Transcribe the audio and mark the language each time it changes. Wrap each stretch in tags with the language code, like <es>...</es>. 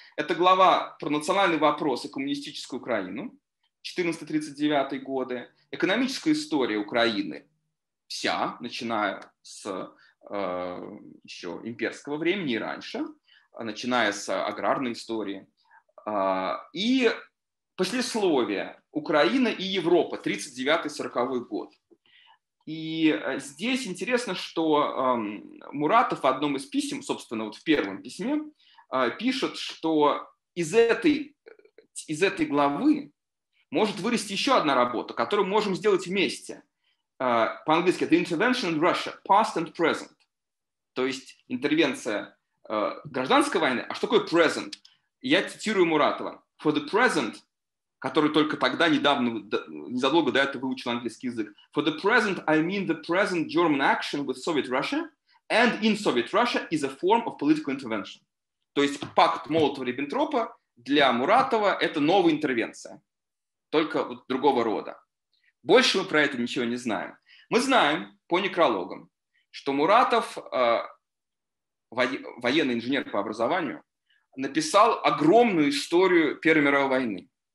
<ru>Это глава про национальный вопрос и коммунистическую Украину, 1439 годы, экономическая история Украины вся, начиная с еще имперского времени и раньше, начиная с аграрной истории, и послесловие Украина и Европа, 1939-1940 год. И здесь интересно, что Муратов в одном из писем, собственно, вот в первом письме, пишет, что из этой главы может вырасти еще одна работа, которую мы можем сделать вместе. По-английски</ru> <en>«The intervention in Russia, past and present».</en> <ru>То есть интервенция гражданской войны. А что такое present? Я цитирую Муратова.</ru> <en>«For the present»,</en> <ru>который только тогда, недавно, незадолго до этого выучил английский язык.</ru> <en>«For the present, I mean the present German action with Soviet Russia and in Soviet Russia is a form of political intervention».</en> <ru>То есть пакт Молотова-Риббентропа для Муратова – это новая интервенция, только вот другого рода. Больше мы про это ничего не знаем. Мы знаем по некрологам, что Муратов, военный инженер по образованию, написал огромную историю Первой мировой войны.</ru>